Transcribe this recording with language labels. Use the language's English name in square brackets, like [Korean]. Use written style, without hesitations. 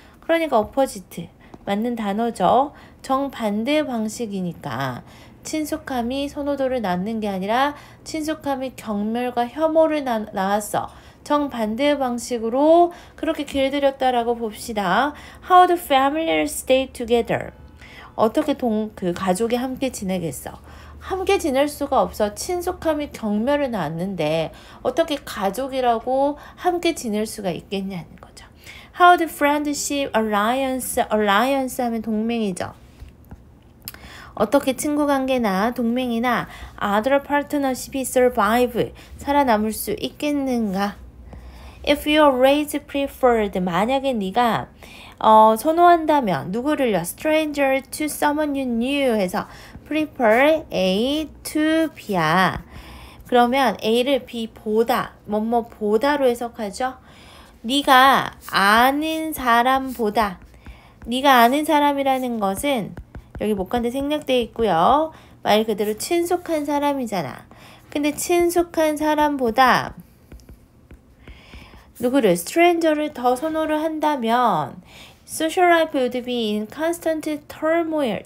[Korean] 그러니까 opposite 맞는 단어죠. 정반대 방식이니까 친숙함이 선호도를 낳는 게 아니라 친숙함이 경멸과 혐오를 낳았어. 정반대 방식으로 그렇게 길들였다라고 봅시다. [English] How do families stay together? [Korean] 어떻게 그 가족이 함께 지내겠어? [English] How [Korean] 함께 지낼 수가 없어 친숙함이 경멸을 낳는데 어떻게 가족이라고 함께 지낼 수가 있겠냐는 거죠. [English] How the friendship alliance, alliance [Korean] 하면 동맹이죠. 어떻게 친구 관계나 동맹이나 other partnership이 survive, 살아남을 수 있겠는가? [English] If your race preferred, [Korean] 만약에 네가 선호한다면 누구를요? [English] Stranger to someone you knew 해서 prefer A to B야. [Korean] 그러면 A를 B보다, 뭐뭐보다로 해석하죠? 네가 아는 사람보다, 네가 아는 사람이라는 것은 여기 목간에 생략되어 있고요. 말 그대로 친숙한 사람이잖아. 근데 친숙한 사람보다 누구를, stranger를 더 선호를 한다면 [English] social life would be in constant turmoil.